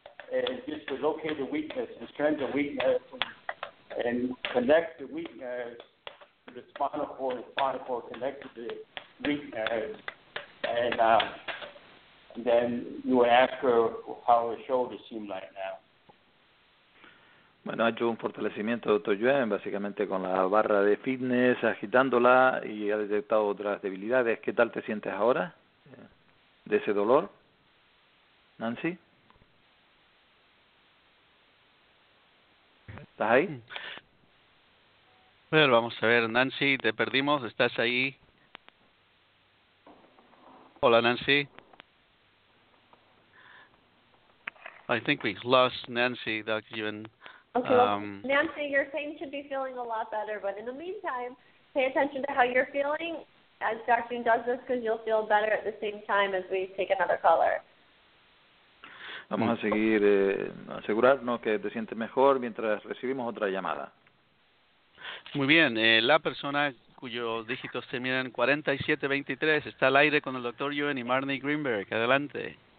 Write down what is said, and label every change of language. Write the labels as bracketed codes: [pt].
[en] And just to locate the weakness, the strength of weakness, and connect the weakness to the spinal cord connect to the weakness, and then you will ask her how her shoulder seems like now. [es] Bueno, ha hecho un fortalecimiento, doctor Yuen, básicamente con la barra de fitness, agitándola, y ha detectado otras debilidades. ¿Qué tal te sientes ahora de ese dolor, Nancy? ¿Estás ahí? Bueno, vamos a ver, Nancy, te perdimos, ¿estás ahí? Hola, Nancy. [en] I think we lost Nancy, doctor Yuen. Okay, well, Nancy, your pain should be feeling a lot better, but in the meantime, pay attention to how you're feeling as Dr. Yuen does this, because you'll feel better at the same time as we take another caller. [es] Vamos a seguir asegurarnos que te sientes mejor mientras recibimos otra llamada. Muy bien, la persona cuyos dígitos terminan 4723 está al aire con el Dr. Yuen y Marnie Greenberg. Adelante.